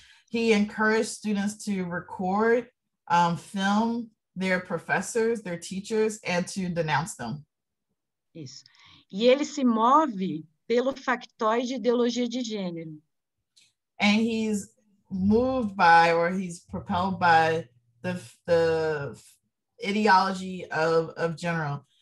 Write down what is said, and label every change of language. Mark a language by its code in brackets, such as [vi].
[en] He encouraged students to record, film their professors, their teachers, and to denounce them. [pt] Isso. E ele se move pelo factóide de ideologia de gênero. [en] And he's moved by, or he's propelled by, the ideology of gender.